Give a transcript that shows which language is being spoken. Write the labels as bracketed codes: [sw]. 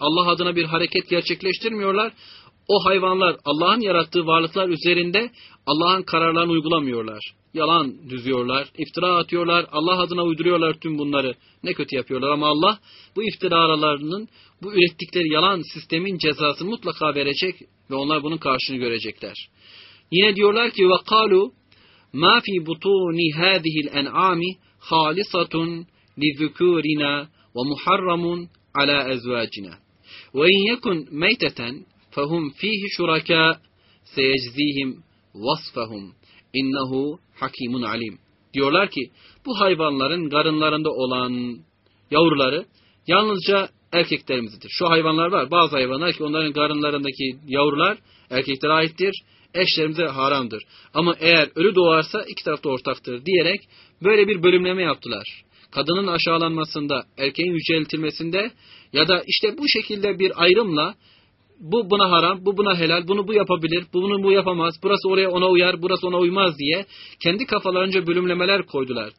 [tr] Allah adına bir hareket gerçekleştirmiyorlar. O hayvanlar, Allah'ın yarattığı varlıklar üzerinde Allah'ın kararlarını uygulamıyorlar. Yalan düzüyorlar, iftira atıyorlar, Allah adına uyduruyorlar tüm bunları. Ne kötü yapıyorlar ama Allah bu iftiralarının, bu ürettikleri yalan sistemin cezasını mutlaka verecek ve onlar bunun karşını görecekler. Yine diyorlar ki, [ar] وَقَالُوا مَا فِي بُطُونِ هَذِهِ الْاَنْعَامِ خَالِصَةٌ لِذُكُورِنَا وَمُحَرَّمٌ عَلَى اَزْوَاجِنَا وَاِنْ يَكُنْ مَيْتَةً فَهُمْ ف۪يهِ شُرَكَا سَيَجْزِيهِمْ وَصْفَهُمْ اِنَّهُ حَك۪يمٌ عَل۪يمٌ [tr] Diyorlar ki, bu hayvanların karınlarında olan yavruları yalnızca erkeklerimizdir. Şu hayvanlar var, bazı hayvanlar ki onların karınlarındaki yavrular erkeklere aittir, eşlerimize haramdır. Ama eğer ölü doğarsa iki taraf da ortaktır diyerek böyle bir bölümleme yaptılar. Kadının aşağılanmasında, erkeğin yüceltilmesinde ya da işte bu şekilde bir ayrımla bu buna haram, bu buna helal, bunu bu yapabilir, bunu bu yapamaz, burası oraya ona uyar, burası ona uymaz diye kendi kafalarınca bölümlemeler koydular.